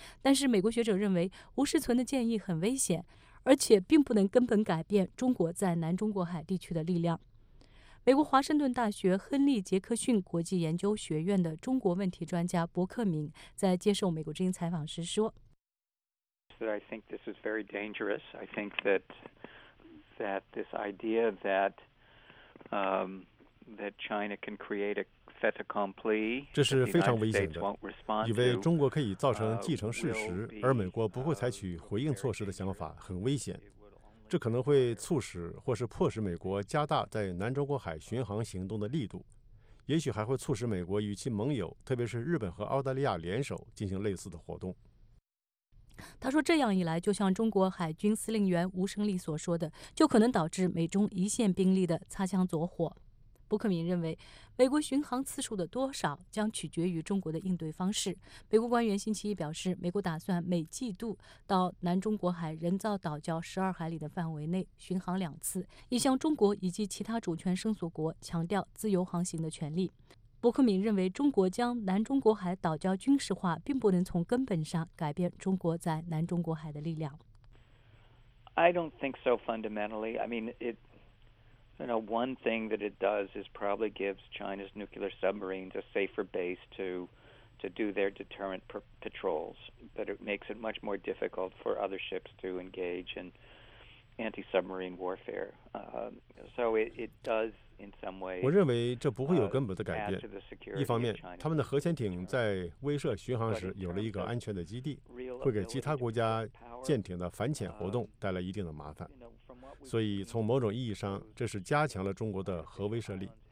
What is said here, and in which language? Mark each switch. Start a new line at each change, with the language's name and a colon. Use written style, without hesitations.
Chinese: 但是美国学者认为，吴世存的建议很危险，而且并不能根本改变中国在南中国海地区的力量。美国华盛顿大学亨利·杰克逊国际研究学院的中国问题专家伯克明在接受美国之音采访时说
English: ：“I think this is very dangerous. I think that this idea that China can create a fait accompli，
Chinese: 这是非常危险的。以为中国可以造成既成事实，而美国不会采取回应措施的想法很危险。” 这可能会促使或是迫使美国加大在南中国海巡航行动的力度，也许还会促使美国与其盟友，特别是日本和澳大利亚联手进行类似的活动。他说，这样一来，就像中国海军司令员吴胜利所说的，就可能导致美中一线兵力的擦枪走火。伯克明认为，美国巡航次数的多少将取决于中国的应对方式。美国官员星期一表示，美国打算每季度到南中国海人造岛礁12海里的范围内巡航2次，以向中国以及其他主权生索国强调自由航行的权利。伯克明认为，中国将南中国海岛礁军事化并不能从根本上改变中国在南中国海的力量。
English: I don't think so fundamentally. I mean, You know, one thing that it does is probably gives China's nuclear submarines a safer base to do their deterrent patrols, but it makes it much more difficult for other ships to engage in anti-submarine warfare. So it does in some way.
Chinese: 我认为这不会有根本的改变。一方面，他们的核潜艇在威慑巡航时有了一个安全的基地，会给其他国家舰艇的反潜活动带来一定的麻烦。所以从某种意义上，这是加强了中国的核威慑力。